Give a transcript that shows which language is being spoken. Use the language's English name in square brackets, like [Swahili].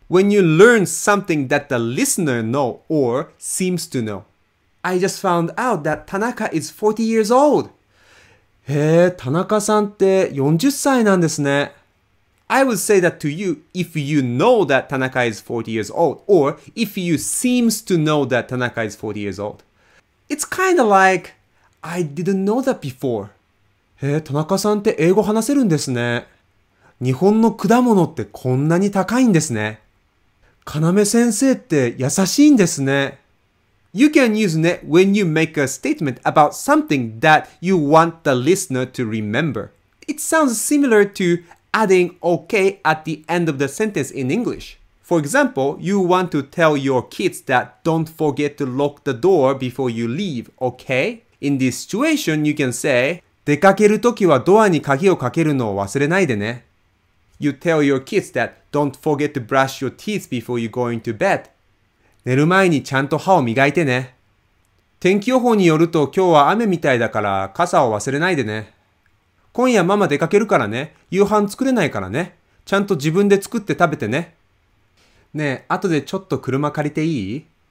[English] When you learn something that the listener know or seems to know. I just found out that Tanaka is 40 years old. [Japanese] へえ、田中さんって40歳なんですね。 [English] I would say that to you if you know that Tanaka is 40 years old or if you seems to know that Tanaka is 40 years old. It's kind of like, I didn't know that before. [Japanese] へえ、田中さんって英語話せるんですね。日本の果物ってこんなに高いんですね。金目先生って優しいんですね。 [English] You can use ne when you make a statement about something that you want the listener to remember. It sounds similar to adding OK at the end of the sentence in English. For example, you want to tell your kids that don't forget to lock the door before you leave, OK? In this situation, you can say [Japanese] 出かけるときはドアに鍵をかけるのを忘れないでね。 [English] You tell your kids that don't forget to brush your teeth before you go into bed. [Japanese] 寝る前にちゃんと歯を磨いてね。天気予報によると今日は雨みたいだから傘を忘れないでね。今夜ママ出かけるからね。夕飯作れないからね。ちゃんと自分で作って食べてね。ねえ、後でちょっと車借りていい？